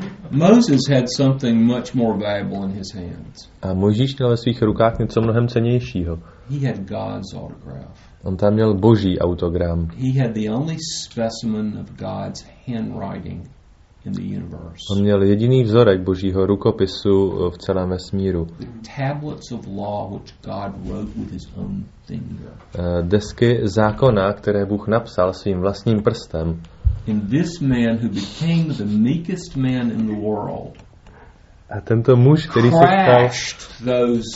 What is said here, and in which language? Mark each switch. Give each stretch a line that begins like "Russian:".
English: Moses had something much more valuable in his hands.
Czech: A Mojžíš měl ve svých rukách něco mnohem cennějšího.
English: He had God's autograph.
Czech: On tam měl Boží autogram.
English: He had the only specimen of God's handwriting in the universe.
Czech: On měl jediný vzorek Božího rukopisu v celém vesmíru.
English: The tablets of law which God wrote with his own finger.
Czech: Desky zákona, které Bůh napsal svým vlastním prstem.
English: In this man who became the meekest man in the world.
Czech: A tento muž, který se stal